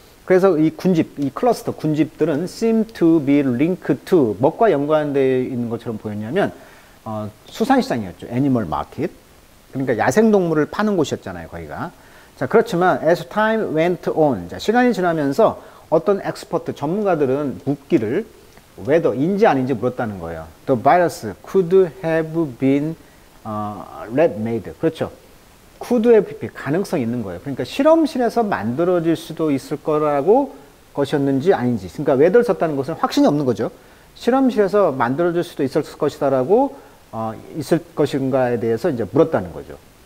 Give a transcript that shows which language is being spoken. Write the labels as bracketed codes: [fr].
[ko] 그래서 이 군집, 이 클러스터, 군집들은 [en] seem to be linked to, [ko] 뭐가 연관되어 있는 것처럼 보였냐면, 수산시장이었죠. [en] Animal market. [ko] 그러니까 야생동물을 파는 곳이었잖아요, 거기가. 자, 그렇지만, [en] as time went on, [ko] 자, 시간이 지나면서 어떤 엑스퍼트, 전문가들은 묻기를, whether, 인지 아닌지 물었다는 거예요. [en] The virus could have been, lab made. [ko] 그렇죠. [en] could have been [ko] 가능성이 있는 거예요. 그러니까 실험실에서 만들어질 수도 있을 거라고 것이었는지 아닌지. 그러니까 whether 썼다는 것은 확신이 없는 거죠. 실험실에서 만들어질 수도 있을 것이다라고 있을 것인가에 대해서 이제 물었다는 거죠.